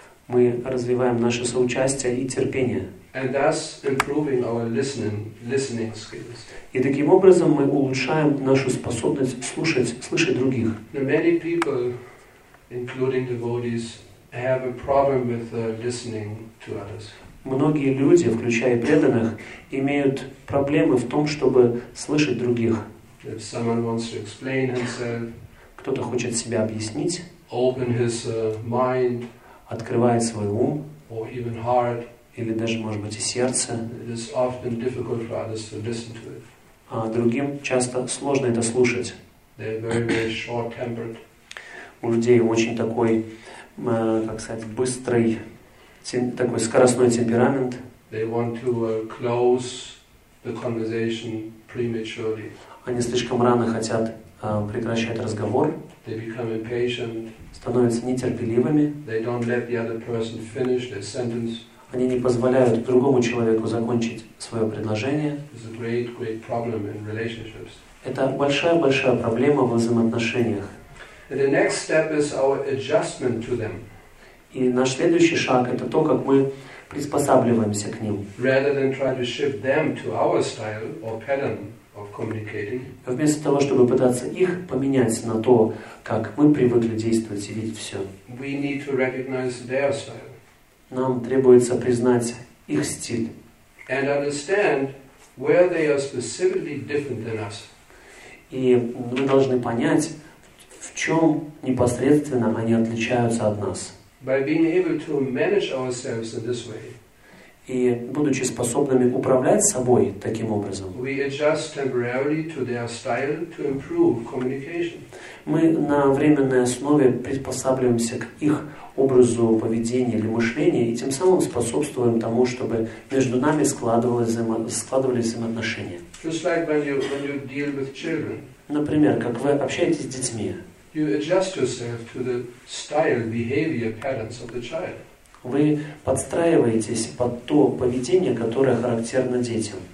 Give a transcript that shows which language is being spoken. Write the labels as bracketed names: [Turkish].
[Russian] Мы развиваем наше соучастие и терпение. [English] And thus improving our listening skills. [Russian] И таким образом мы улучшаем нашу способность слышать других. [English] Now many people, including devotees, have a problem with listening to others. [Russian] Многие люди, включая преданных, имеют проблемы в том, чтобы слышать других. [English] If someone wants to explain himself, [Russian] кто-то хочет себя объяснить, [English] open his mind, [Russian] открывает свой ум, [English] or even heart, [Russian] или даже, может быть, и сердце. [English] It is often difficult for others to listen to it. [Russian] А другим часто сложно это слушать. [English] They are very, very short-tempered. [Russian] У людей очень такой, как сказать, быстрый, такой скоростной темперамент. [English] They want to close the conversation prematurely. [Russian] Они слишком рано хотят прекращать разговор. [English] They become impatient. [Russian] Становятся нетерпеливыми. [English] They don't let the other person finish their sentence. [Russian] Они не позволяют другому человеку закончить свое предложение. [English] It's a great, great problem in relationships. [Russian] Это большая-большая проблема в взаимоотношениях. [English] And the next step is our adjustment to them. [Russian] И наш следующий шаг – это то, как мы приспосабливаемся к ним. [English] Rather than try to shift them to our style or pattern of communicating. [Russian] Вместо того, чтобы пытаться их поменять на то, как мы привыкли действовать и видеть все. [English] We need to recognize their style. [Russian] Нам требуется признать их стиль. [English] And understand where they are specifically different than us. [Russian] И мы должны понять, в чем непосредственно они отличаются от нас. [English] By being able to manage ourselves in this way, [Russian] и будучи способными управлять собой таким образом, [English] we adjust temporarily to their style to improve communication. [Russian] Мы на временной основе приспосабливаемся к их образу поведения или мышления и тем самым способствуем тому, чтобы между нами складывались взаимоотношения. [English] Just like when you deal with children. [Russian] Например, как вы общаетесь с детьми. [English] You adjust yourself to the style, behavior, patterns of the child. [Russian] Вы подстраиваетесь под то поведение, которое характерно детям.